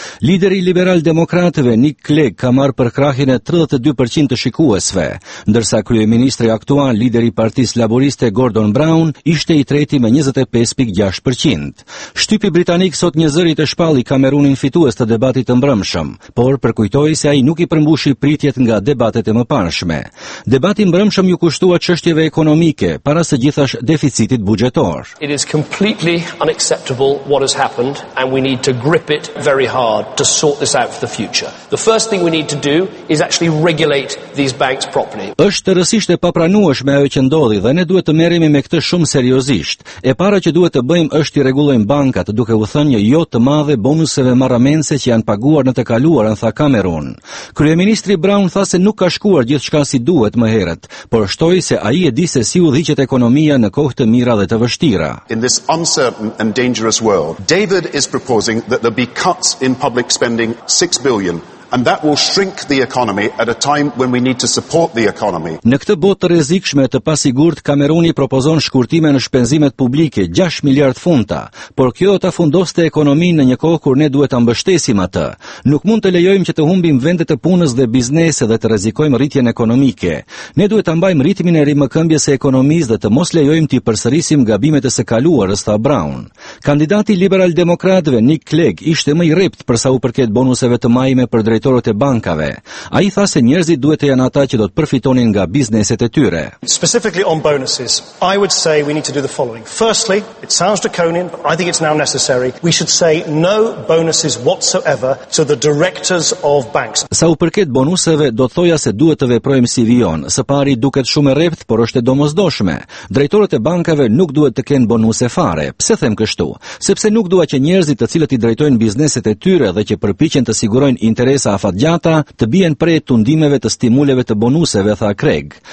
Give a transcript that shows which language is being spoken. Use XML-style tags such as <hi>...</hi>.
<sq>Lideri liberal demokratëve Nick Clegg ka marrë për krahin e 32% të shikuesve, ndërsa kryeministri aktual, lideri i Partisë Laboriste Gordon Brown, ishte i treti me 25.6%. Shtypi britanik sot një zëri të shpalli Cameronin fitues të debatit të mbrëmshëm. Por përkujtoi se ai nuk i përmbushi pritjet nga debatet e mëparshme. Debati i mbrëmshëm ju kushtua çështjeve ekonomike, para së gjithash deficitit buxhetor.</sq> <en>It is completely unacceptable what has happened and we need to grip it very hard to sort this out for the future. The first thing we need to do is actually regulate these banks properly.</en> <sq>Është rësisht e papranueshme ajo që ndodhi dhe ne duhet të merremi me këtë shumë seriozisht. E para që duhet të bëjmë është i rregullojmë bankat, duke u thënë një jo të madhe bonuseve marramense që janë paguar në të kaluar. Kryeministri Brown tha se nuk ka shkuar gjithçka si duhet më herët, por shtoi se ai e di se si udhëhiqet ekonomia në kohë të mira dhe të vështira.</sq> <en>In this uncertain and dangerous world, David is proposing that there be cuts in public spending $6 billion. And that will shrink the economy at a time when we need to support the economy.</en> <sq>Në këtë botë të rrezikshme të pasigurt, Cameroni propozon shkurtime në shpenzimet publike 6 miliard funta, por kjo do ta fundoste ekonominë në një kohë kur ne duhet ta mbështesim atë. Nuk mund të lejojmë që të humbim vendet e punës dhe biznese dhe të rrezikojmë rritjen ekonomike. Ne duhet ta mbajmë ritmin e rimëkëmbjes së ekonomisë dhe të mos lejojmë të përsërisim gabimet e së kaluarës, tha Brown. Kandidati liberal demokratëve Nick Clegg ishte më i rrept për sa u përket bonuseve të mëdha për drejtorët e bankave. Ai tha se njerëzit duhet të janë ata që do të përfitonin nga bizneset e tyre.</sq> <en>Specifically on bonuses, I would say we need to do the following. Firstly, it sounds draconian, but I think it's now necessary. We should say no bonuses whatsoever to the directors of banks.</en> <sq>Sa u përket bonuseve, do thoja se duhet të veprojmë si vijon. Së pari duket shumë rrept, por është e domosdoshme. Drejtorët e bankave nuk duhet të kenë bonuse fare. Pse them kështu? Sepse nuk dua që njerëzit të cilët i drejtojnë bizneset e tyre dhe që përpiqen të sigurojnë interesa afatgjata të bien prej tundimeve të stimuleve të bonuseve, tha Craig.</sq>